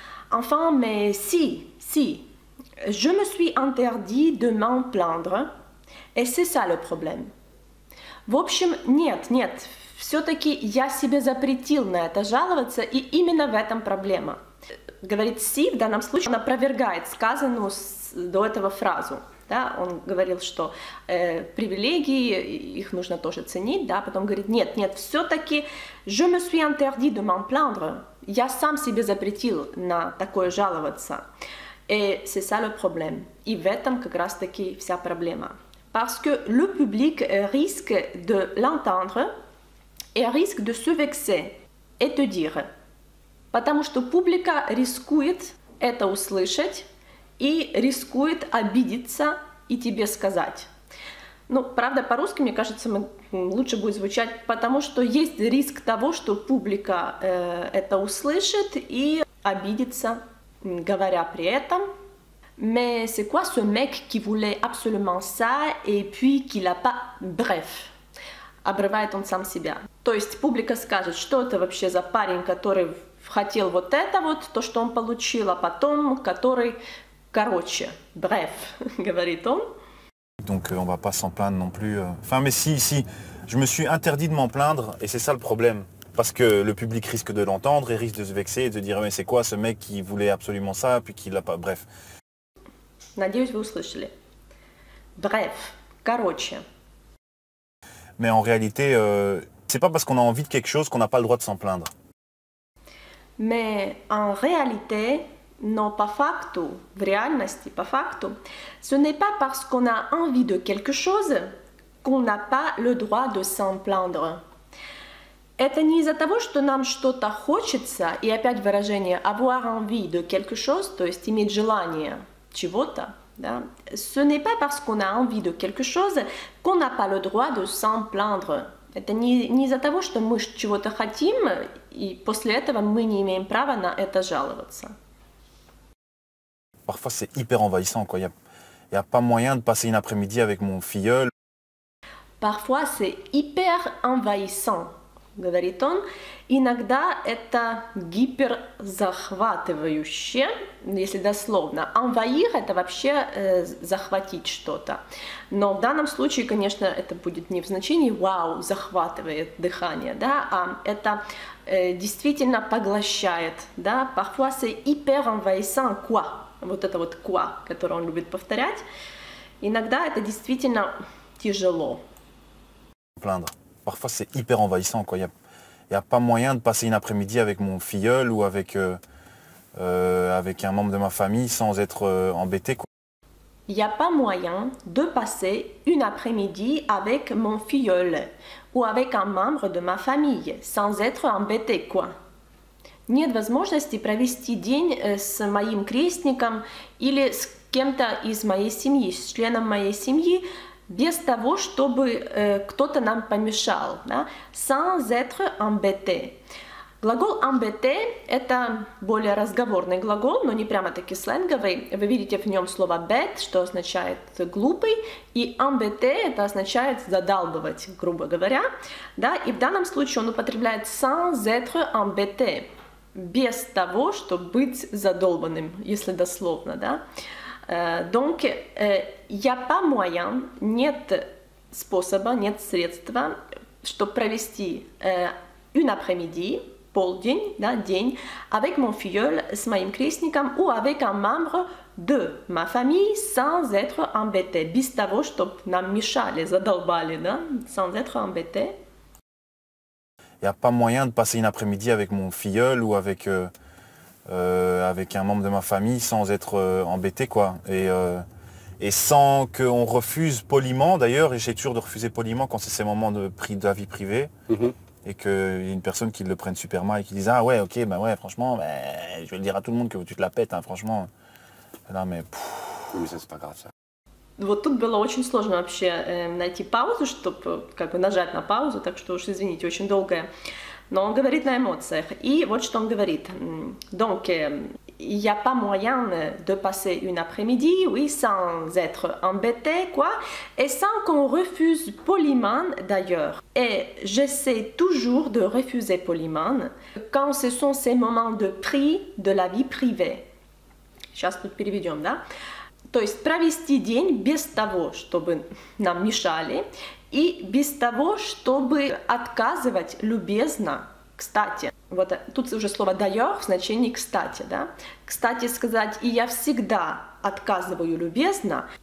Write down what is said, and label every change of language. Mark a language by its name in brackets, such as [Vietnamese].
[French] Enfin, mais si, je me suis interdit de m'en plaindre, et c'est ça le problème. [Russian] В общем, нет, все-таки я себе запретил на это жаловаться, и именно в этом проблема. Говорит «си», в данном случае он опровергает сказанную до этого фразу. Да, он говорил, что привилегии их нужно тоже ценить, да. Потом говорит, нет, нет, все-таки [French] je me suis interdit de m'en plaindre. [Russian] Я сам себе запретил на такое жаловаться. [French] Et c'est ça le problème. [Russian] И в этом как раз-таки вся проблема. [French] Parce que le public risque de l'entendre et risque de se vexer et te dire. [Russian] Потому что публика рискует это услышать и рискует обидеться и тебе сказать. Ну, правда, по-русски, мне кажется, лучше будет звучать, потому что есть риск того, что публика это услышит и обидится, говоря при этом. [French] Mais c'est quoi ce mec qui voulait absolument ça et puis qui l'a pas... Bref, [Russian] обрывает он сам себя. То есть публика скажет, что это вообще за парень, который хотел вот это вот, то, что он получил, а потом, который... Короче, [French] bref, [Russian] говорит он. [French] Donc on va pas s'en plaindre non plus. Enfin, mais si, si, je me suis interdit de m'en plaindre et c'est ça le problème. Parce que le public risque de l'entendre et risque de se vexer et de dire, mais c'est quoi ce mec qui voulait absolument ça et puis qui l'a pas... Bref. [Russian] Надеюсь, вы услышали. [French] Bref, [Russian] короче. [French] Mais en réalité, c'est pas parce qu'on a envie de quelque chose qu'on n'a pas le droit de s'en plaindre. Mais en réalité, non, [Russian] по факту, в реальности, по факту, [French] ce n'est pas parce qu'on a envie de quelque chose qu'on n'a pas le droit de s'en plaindre. [Russian] Это не из-за того, что нам что-то хочется, и опять выражение [French] avoir envie de quelque chose, [Russian] то есть иметь желание. Чего-то, да? [French] Ce n'est pas parce qu'on a envie de quelque chose qu'on n'a pas le droit de s'en plaindre. [Russian] Это не из-за того, что мы чего-то хотим, и после этого мы не имеем права на это жаловаться. [French] Parfois c'est hyper envahissant, quoi. Il y a pas moyen de passer une après-midi avec mon filleul. Parfois c'est hyper envahissant, [Russian] говорит он. Иногда это гиперзахватывающе, если дословно. Envahir – это вообще захватить что-то. Но в данном случае, конечно, это будет не в значении «вау, захватывает дыхание», да, а это действительно поглощает. Да? [French] Parfois c'est hyper envahissant, quoi. [Russian] Вот это вот «quoi», которое он любит повторять. Иногда это действительно тяжело. [French] Plaindre. Parfois c'est hyper envahissant, quoi. Il n'y a pas moyen de passer une après-midi avec mon filleul ou avec, avec un membre de ma famille sans être embêté. Il n'y a pas moyen de passer une après-midi avec mon filleul ou avec un membre de ma famille sans être embêté. Quoi. [Russian] Нет возможности провести день с моим крестником или с кем-то из моей семьи, с членом моей семьи, без того, чтобы кто-то нам помешал, да? Sans être embêté. Глагол embêté – это более разговорный глагол, но не прямо-таки сленговый. Вы видите в нем слово bête, что означает глупый, и embêté – это означает задалбывать, грубо говоря. Да? И в данном случае он употребляет [French] sans être embêté, [Russian] без того, чтобы быть задолбанным, если дословно, да? [French] Donc, il n'y a pas moyen, [Russian] нет способа, нет средства, чтобы провести [French] une après-midi, [Russian] полдень, да, день, [French] avec mon filleul, [Russian] с моим крестником, [French] ou avec un membre de ma famille, sans être embêté, [Russian] без того, чтобы нам мешали, задолбали, да, [French] sans être embêté. Il n'y a pas moyen de passer une après-midi avec mon filleul ou avec... avec un membre de ma famille sans être embêté, quoi. Et sans qu'on refuse poliment, d'ailleurs, et j'ai toujours de refuser poliment quand c'est ces moments de la vie privée, et qu'il y a une personne qui le prenne super mal et qui dise « Ah ouais, ok, bah ouais, franchement, bah, je vais le dire à tout le monde que tu te la pètes, hein, franchement. » Non, mais... Oui, ça, c'est pas grave, ça. [Russian] Вот тут было очень сложно вообще найти паузу, чтобы как бы нажать на паузу, так что уж извините, очень долгое. Но он говорит на эмоциях. И вот что он говорит. [French] Donc, il n'y a pas moyen de passer une après-midi, oui, sans être embêté, quoi, et sans qu'on refuse poliment, d'ailleurs. Et j'essaie toujours de refuser poliment quand ce sont ces moments de prix de la vie privée. [Russian] Сейчас тут переведем, да? То есть провести день без того, чтобы нам мешали, и без того, чтобы отказывать любезно, кстати. Вот тут уже слово «d'ailleurs» в значении «кстати», да? Кстати сказать, и я всегда отказываю любезно,